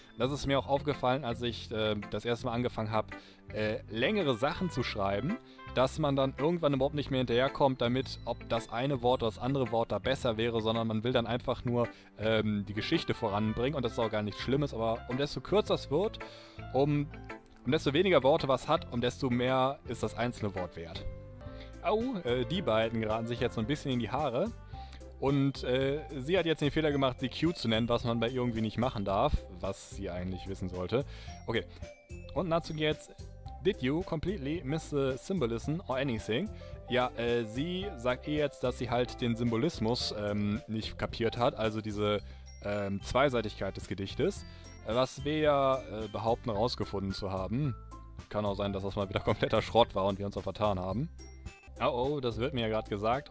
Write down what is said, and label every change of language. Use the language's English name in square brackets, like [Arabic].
[German] Das ist mir auch aufgefallen, als ich das erste Mal angefangen habe, längere Sachen zu schreiben, dass man dann irgendwann überhaupt nicht mehr hinterherkommt damit, ob das eine Wort oder das andere Wort da besser wäre, sondern man will dann einfach nur die Geschichte voranbringen und das ist auch gar nichts Schlimmes, aber umso kürzer es wird, um Und desto weniger Worte was hat, um desto mehr ist das einzelne Wort wert. Au, die beiden geraten sich jetzt so ein bisschen in die Haare. Und sie hat jetzt den Fehler gemacht, sie Q zu nennen, was man bei ihr irgendwie nicht machen darf, was sie eigentlich wissen sollte. Okay, und dazu geht's. [English] Did you completely miss the symbolism or anything? [German] Ja, sie sagt ihr jetzt, dass sie halt den Symbolismus nicht kapiert hat, also diese Zweiseitigkeit des Gedichtes, was wir ja behaupten herausgefunden zu haben. Kann auch sein, dass das mal wieder kompletter Schrott war und wir uns auch vertan haben. Oh, das wird mir ja gerade gesagt.